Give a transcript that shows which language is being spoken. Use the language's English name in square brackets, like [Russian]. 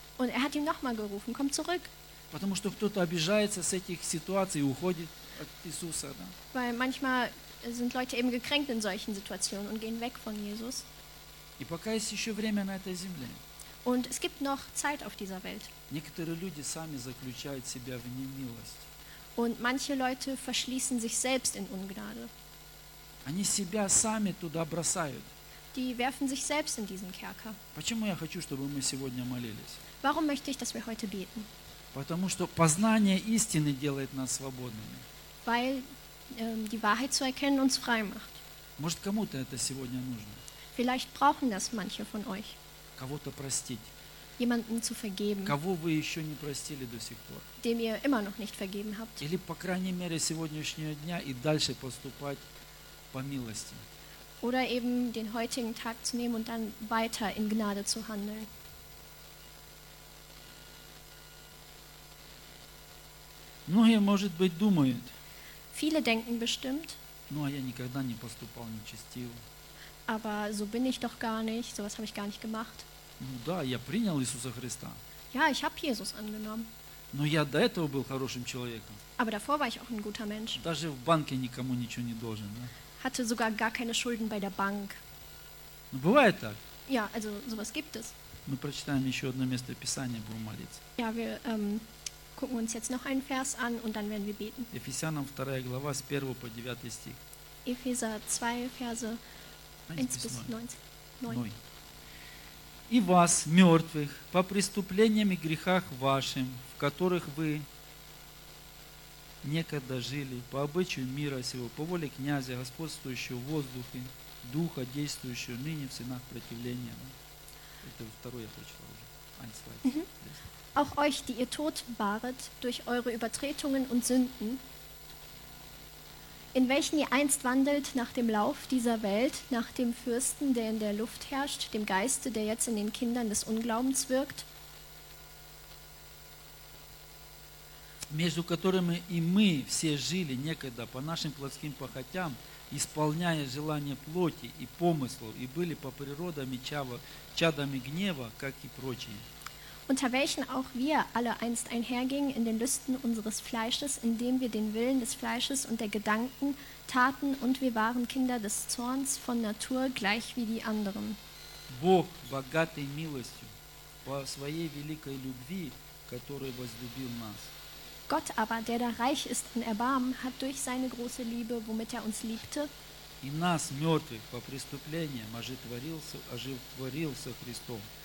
[German] Und er hat ihn nochmal gerufen: komm zurück. [Russian] Потому что кто-то обижается с этих ситуаций и уходит от Иисуса, да? [German] Weil manchmal sind Leute eben gekränkt in solchen Situationen und gehen weg von Jesus. [Russian] И пока есть еще время на этой земле. [German] Und es gibt noch Zeit auf dieser Welt. [Russian] Некоторые люди сами заключают себя в немилость. [German] Und manche Leute verschließen sich selbst in Ungnade. [Russian] Они себя сами туда бросают. [German] Die werfen sich selbst in diesen Kerker. [Russian] Почему я хочу, чтобы мы сегодня молились? [German] Warum möchte ich, dass wir heute beten? [Russian] Потому что познание истины делает нас свободными. [German] Weil die Wahrheit zu erkennen uns frei macht. [Russian] Может, кому-то это сегодня нужно? [German] Vielleicht brauchen das manche von euch. [Russian] Кого-то простить. [German] Jemanden zu vergeben, [Russian] кого вы еще не простили до сих пор, [German] dem ihr immer noch nicht vergeben habt, [Russian] или по крайней мере сегодняшнего дня и дальше поступать по милости, [German] Oder eben den heutigen Tag zu nehmen und dann weiter in Gnade zu handeln. [Russian] Многие, может быть, думают. [German] Viele denken bestimmt. [Russian] Ну, а я никогда не поступал нечестиво. [German] Aber so bin ich doch gar nicht. Sowas habe ich gar nicht gemacht. [Russian] Ну да, я принял Иисуса Христа. [German] Ja, ich habe Jesus angenommen. [Russian] Но я до этого был хорошим человеком. [German] Aber davor war ich auch ein guter Mensch. [Russian] Даже в банке никому ничего не должен, да? [German] Hatte sogar gar keine Schulden bei der Bank. [Russian] Ну бывает так. [German] Ja, also sowas gibt es. [Russian] Мы прочитаем еще одно место Писания, будем молиться. [German] Ja, wir gucken uns jetzt noch einen Vers an und dann werden wir beten. [Russian] Ephesians 2, глава, с 1 по 9 стих. [German] Epheser 2, Verse 1-9. [Russian] И вас, мертвых, по преступлениям и грехах вашим, в которых вы некогда жили, по обычаю мира сего, по воле князя, господствующего в воздухе, духа, действующего ныне в сынах противления. Это второе я прочитал уже. [German] Auch euch, die ihr tot waret durch eure Übertretungen und Sünden, in welchen ihr einst wandelt nach dem Lauf dieser Welt, nach dem Fürsten, der in der Luft herrscht, dem Geiste, der jetzt in den Kindern des Unglaubens wirkt, [Russian] между которыми и мы все жили некогда по нашим плотским похотям, исполняя желания плоти и помыслов, и были по природе чадами гнева, как и прочие. [German] Unter welchen auch wir alle einst einhergingen in den Lüsten unseres Fleisches, indem wir den Willen des Fleisches und der Gedanken taten, und wir waren Kinder des Zorns von Natur, gleich wie die anderen. [Russian] Бог богатый милостью по своей великой любви, который возлюбил нас. [German] Gott aber, der da reich ist an Erbarmen, hat durch seine große Liebe, womit er uns liebte, [Russian] и нас, мертвых по преступлениям, оживотворился Христом.